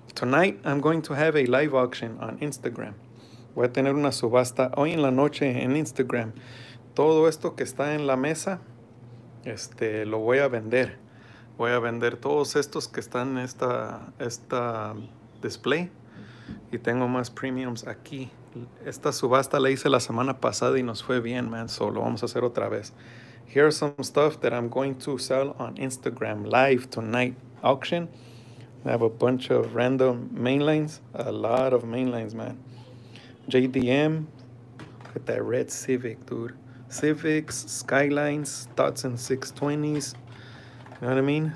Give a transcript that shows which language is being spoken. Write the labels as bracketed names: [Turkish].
[English] Tonight, I'm going to have a live auction on Instagram. [Spanish] Voy a tener una subasta hoy en la noche en Instagram. Todo esto que está en la mesa, lo voy a vender. Voy a vender todos estos que están en esta display. Y tengo más premiums aquí. Esta subasta la hice la semana pasada y nos fue bien, man. So lo vamos a hacer otra vez. [English] Here's some stuff that I'm going to sell on Instagram live tonight auction. I have a bunch of random mainlines. A lot of mainlines, man. JDM, look at that red Civic, dude. Civics, Skylines, Datsun 620s, you know what I mean?